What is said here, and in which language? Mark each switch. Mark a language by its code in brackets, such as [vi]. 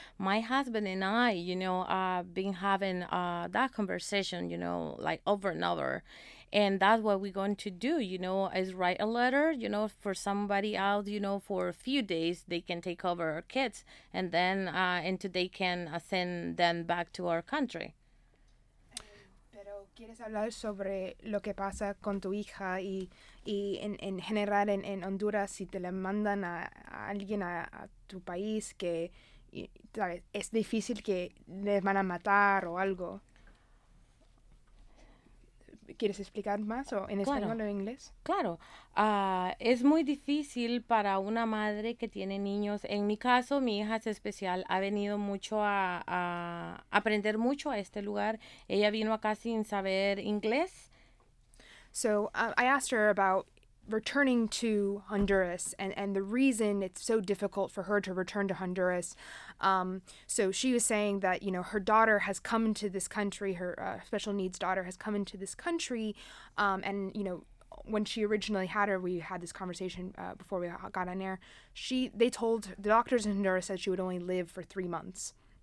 [en] My husband and I, you know, been having that conversation, you know, like over and over. And that's what we're going to do, you know, is write a letter, you know, for somebody else, you know, for a few days, they can take over our kids and then into they can send them back to our country. [es] Pero quieres hablar sobre lo que pasa con tu hija y en general en Honduras, si te la mandan a alguien a tu país, que es difícil que les van a matar o algo. ¿Quieres explicar más o en español o en inglés? Claro. Es muy difícil para una madre que tiene niños. En mi caso, mi hija es especial. Ha venido mucho a aprender mucho a este lugar. Ella vino acá sin saber inglés. [en] So I asked her about returning to Honduras and the reason it's so difficult for her to return to Honduras. So she was saying that, you know, her daughter has come into this country, her special needs daughter has come into this country, and, you know, when she originally had her, we had this conversation before we got on air, the doctors in Honduras said she would only live for 3 months.